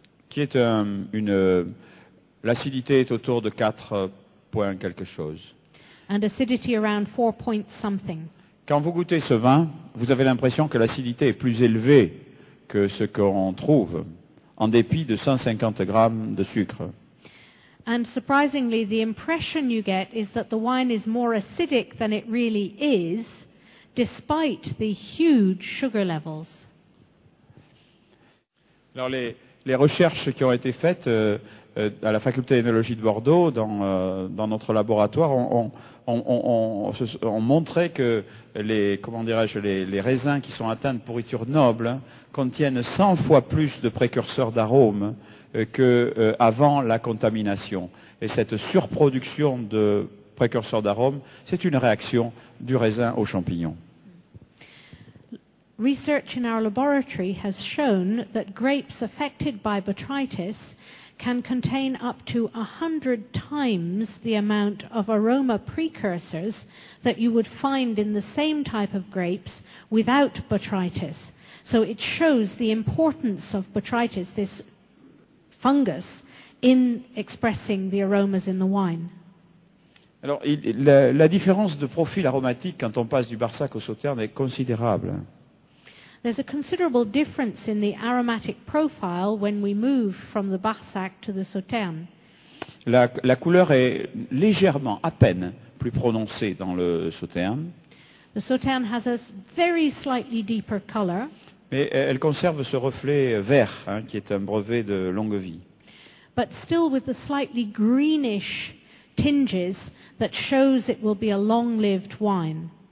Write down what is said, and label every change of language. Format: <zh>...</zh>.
<fr>Qui est l'acidité est autour de 4 points quelque chose.</fr> <en>And acidity around 4 point something.</en> <fr>Quand vous goûtez ce vin, vous avez l'impression que l'acidité est plus élevée que ce qu'on trouve en dépit de 150 grammes de sucre.</fr> <en>And surprisingly, the impression you get is that the wine is more acidic than it really is, despite the huge sugar levels.</en> <fr>Alors les recherches qui ont été faites à la faculté d'œnologie de Bordeaux, dans notre laboratoire, on montrait que les raisins qui sont atteints de pourriture noble contiennent 100 fois plus de précurseurs d'arômes qu'avant la contamination. Et cette surproduction de précurseurs d'arômes, c'est une réaction du raisin aux champignons.</fr> <en>Research in our laboratory has shown that grapes affected by botrytis can contain up to 100 times the amount of aroma precursors that you would find in the same type of grapes without botrytis. So it shows the importance of botrytis, this fungus, in expressing the aromas in the wine.</en> <fr>Alors, la différence de profil aromatique quand on passe du Barsac au Sauternes est considérable.</fr> <en>There's a considerable difference in the aromatic profile when we move from the Barsac to the Sauternes.</en> <fr>La couleur est légèrement, à peine, plus prononcée dans le Sauternes.</fr> <en>The Sauternes has a very slightly deeper color.</en> <fr>Mais elle conserve ce reflet vert, hein, qui est un brevet de longue vie.</fr> <en>But still with the slightly greenish tinges that shows it will be a long-lived wine.</en>